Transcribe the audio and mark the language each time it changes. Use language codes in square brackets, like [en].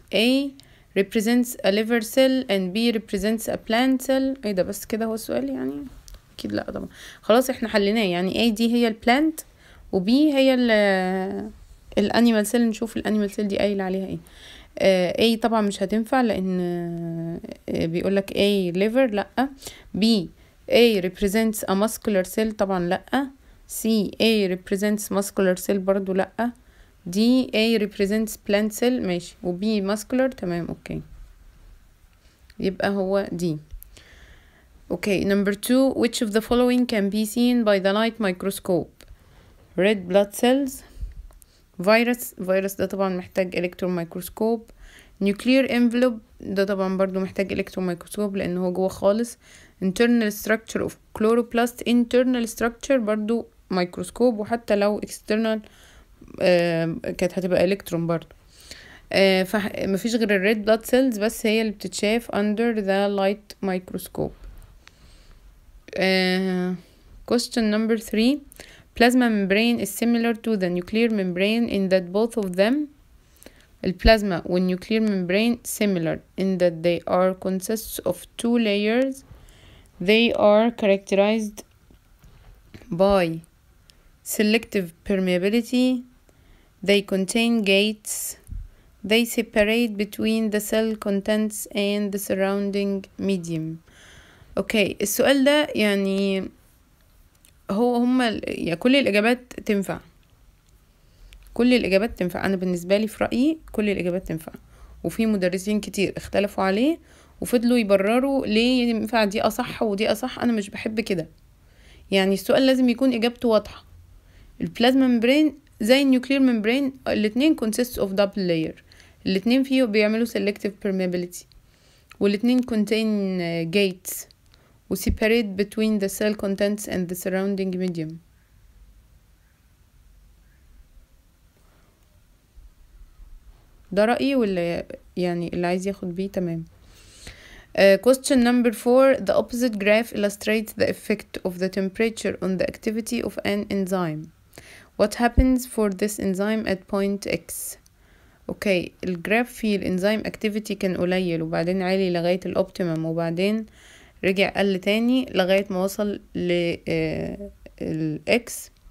[en] A represents a liver cell and B represents a plant cell. [ar] ايه ده بس كده هو السؤال يعني؟ اكيد لا طبعا, خلاص احنا حليناه. يعني A دي هي plant و B هي الانيمال سيل. نشوف الانيمال سيل دي قايل عليها ايه. اي طبعا مش هتنفع لان بيقول لك اي ليفر, لا. [en] بي اي ريبريزنتس ا ماسكولار سيل, [ar] طبعا لا. [en] C A represents muscular cell, [ar] برضو لا. [en] D A represents plant cell, ماشي. [ar] وبي ماسكولار, تمام اوكي, يبقى هو دي. [en] Okay number 2. [ar] which of the following can be seen by the light microscope? [en] red blood cells, [ar] فيروس ده طبعا محتاج الكترون مايكروسكوب, نيوكلير انفلوب ده طبعا برضو محتاج الكترون مايكروسكوب لانه هو جوه خالص, [en] internal structure of chloroplast, [ar] انترنال ستراكشر برضو مايكروسكوب, وحتى لو اكسترنال كانت هتبقى الكترون برضو. مفيش غير الريد بلاد سيلز بس هي اللي بتتشاف [en] Under the light microscope. Question number 3. plasma membrane is similar to the nuclear membrane in that both of them, [ar] البلازما والنيوكلير [en] membrane similar in that they are consists of two layers, they are characterized by selective permeability, they contain gates, they separate between the cell contents and the surrounding medium. okay, [ar] السؤال ده يعني هو هما يعني كل الإجابات تنفع, كل الإجابات تنفع. أنا بالنسبة لي في رأيي كل الإجابات تنفع, وفي مدرسين كتير اختلفوا عليه وفضلوا يبرروا ليه ينفع دي أصح ودي أصح. أنا مش بحب كده. يعني السؤال لازم يكون إجابته واضحة. البلازما ممبرين زي النيوكلير ممبرين, الاتنين [en] consists of double layer, [ar] الاتنين فيه بيعملوا selective permeability, والاتنين [en] contain gates [ar] و [en] separate between the cell contents and the surrounding medium. [ar] ده رأيي, ولا يعني اللي عايز ياخد بيه تمام. [en] question number 4. the opposite graph illustrates the effect of the temperature on the activity of an enzyme. what happens for this enzyme at point x? [ar] okay, الجراف في الانزيم activity كان قليل وبعدين عالي لغاية الoptimum وبعدين رجع قل تاني لغاية ما وصل ل الاكس.